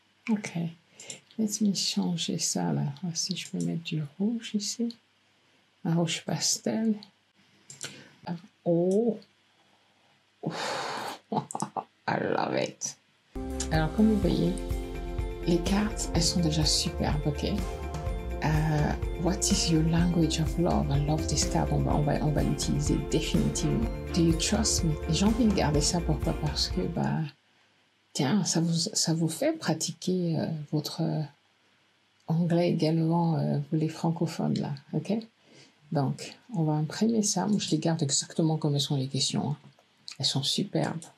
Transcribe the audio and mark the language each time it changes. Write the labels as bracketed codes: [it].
[fr] Ok. Laisse-moi changer ça, là. Ah, si je peux mettre du rouge ici. Un rouge pastel. Ah, oh! Ouf. [en] I love it! [fr] Alors, comme vous voyez, les cartes, elles sont déjà superbes, ok? [en] What is your language of love? I love this card. [fr] On va l'utiliser définitivement. [en] Do you trust me? [fr] Et j'ai envie de garder ça, pourquoi? Parce que, bah, tiens, ça vous fait pratiquer votre anglais également, vous les francophones, là, ok? Donc, on va imprimer ça. Moi, je les garde exactement comme elles sont les questions. Hein. Elles sont superbes.